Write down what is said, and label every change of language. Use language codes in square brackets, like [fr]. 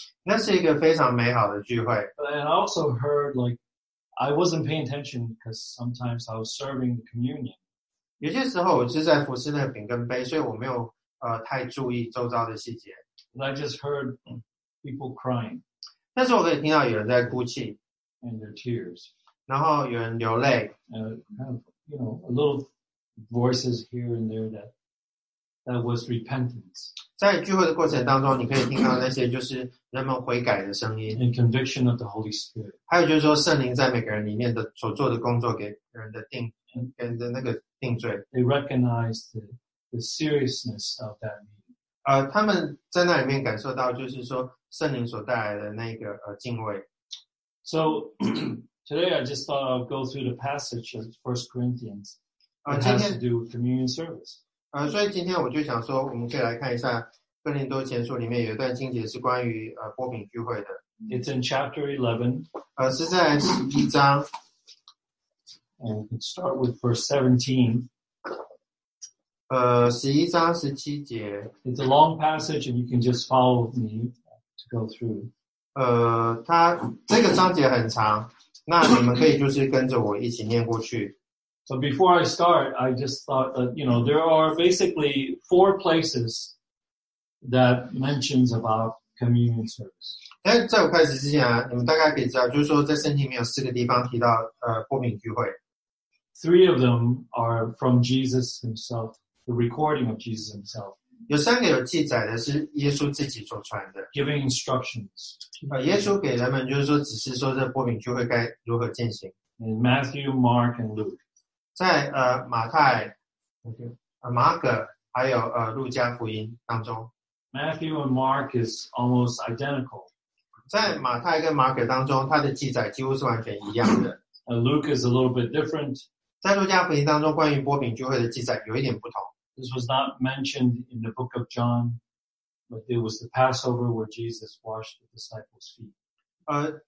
[zh] 那是一个非常美好的聚会。 [en] And I also heard like I wasn't paying attention because sometimes I was serving the communion. [zh] 有些时候我是在服侍那个饼跟杯，所以我没有太注意周遭的细节。 [en] And I just heard people crying. [zh] 但是我可以听到有人在哭泣 [en] ，and their tears. [zh] 然后有人流泪 [en] ，and kind of you know a little voices here and there that. That was repentance. [zh] 在聚会的过程当中，你可以听到那些就是人们悔改的声音 [en] ，and conviction of the Holy Spirit. [zh] 还有就是说，圣灵在每个人里面的所做的工作，给人的定，给的那个定罪。 [en] They recognized the seriousness of that meeting. [zh] 他们在那里面感受到，就是说圣灵所带来的那个敬畏。 [en] So today I just thought I'd go through the passage of 1 Corinthians. It has to do with communion service. [zh] 所以今天我就想说，我们可以来看一下《哥林多前书》里面有一段经节是关于波饼聚会的。 [en] It's in chapter 11. [zh] 是在第一章。 [en] And we can start with verse 17. [zh] 11章17节。 [en] It's a long passage, and you can just follow me to go through. [zh] 它这个章节很长，那你们可以就是跟着我一起念过去。 [en] So before I start, I just thought that, you know, there are basically 4 places that mentions about communion service. [zh] 在我开始之前啊，你们大概可以知道，就是说在圣经里面有4个地方提到波饼聚会。 [en] 3 of them are from Jesus himself, the recording of Jesus himself. [zh] 有三个有记载的是耶稣自己所传的。 [en] Giving instructions. [zh] 耶稣给人们就是说只是说这波饼聚会该如何进行。 [en] In Matthew, Mark, and Luke. [zh] 在马太、马可还有路加福音当中 [en] ，Matthew and Mark is almost identical. [zh] 在马太跟马可当中，它的记载几乎是完全一样的。 [en] Luke is a little bit different. [zh] 在路加福音当中，关于波饼聚会的记载有一点不同。 [en] This was not mentioned in the book of John, but it was the Passover where Jesus washed the disciples' feet.